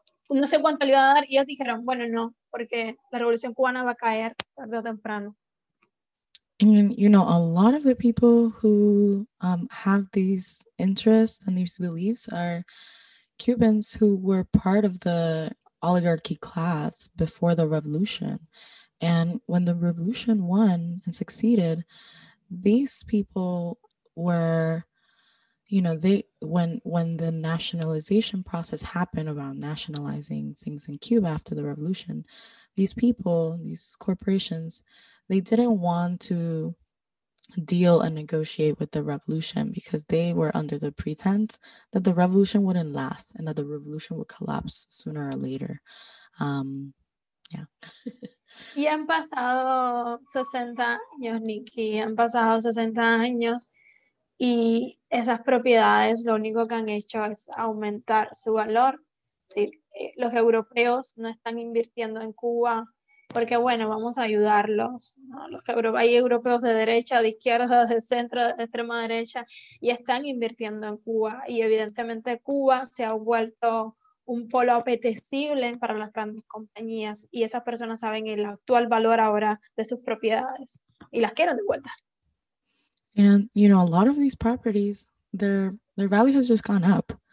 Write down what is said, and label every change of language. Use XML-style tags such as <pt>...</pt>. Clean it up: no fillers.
<es>No sé cuánto le iba a dar, y ellos dijeron, bueno, no, porque la revolución cubana va a caer tarde o temprano.</es> <en>And, you know, a lot of the people who have these interests and these beliefs are Cubans who were part of the oligarchy class before the revolution. And when the revolution won and succeeded, these people were you know, they when the nationalization process happened around nationalizing things in Cuba after the revolution, these people, these corporations, they didn't want to deal and negotiate with the revolution because they were under the pretense that the revolution wouldn't last and that the revolution would collapse sooner or later. Yeah.</en> <es>Y han pasado 60 años, Nikki, han pasado 60 años y esas propiedades lo único que han hecho es aumentar su valor. Sí, los europeos no están invirtiendo en Cuba porque, bueno, vamos a ayudarlos, ¿no? Los hay europeos de derecha, de izquierda, de centro, de extrema derecha, y están invirtiendo en Cuba. Y evidentemente Cuba se ha vuelto un polo apetecible para las grandes compañías, y esas personas saben el actual valor ahora de sus propiedades, y las quieren de vuelta.</es> <en>And, you know, a lot of these properties, their value has just gone up.</en>